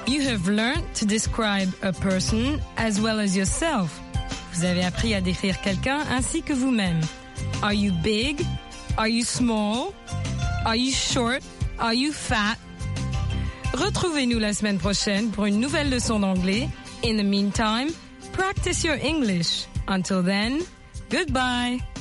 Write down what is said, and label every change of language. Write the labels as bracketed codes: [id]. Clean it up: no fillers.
[en] Have learned to describe a person as well as yourself. [fr] Vous avez appris à décrire quelqu'un ainsi que vous-même. [en] Are you big? Are you small? Are you short? Are you fat? [fr] Retrouvez-nous la semaine prochaine pour une nouvelle leçon d'anglais. [en] In the meantime, practice your English. Until then, goodbye.